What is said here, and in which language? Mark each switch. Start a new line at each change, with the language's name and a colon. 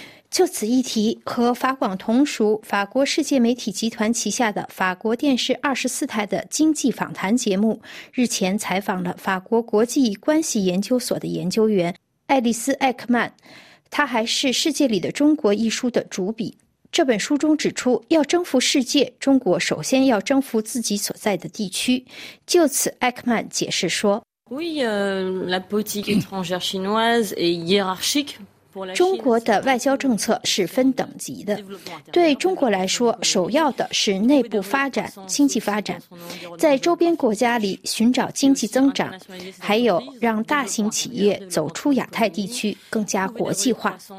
Chinese: 就此议题，和法广同属法国世界媒体集团旗下的法国电视24台的经济访谈节目日前采访了法国国际关系研究所的研究员爱丽丝·艾克曼，她还是《世界里的中国》一书的主笔。这本书中指出，要征服世界，中国首先要征服自己所在的地区。就此，艾克曼解释说：
French: la politique étrangère chinoise est hiérarchique。
Chinese: 中国的外交政策是分等级的，对中国来说，首要的是内部发展、经济发展，在周边国家里寻找经济增长，还有让大型企业走出亚太地区，更加国际化。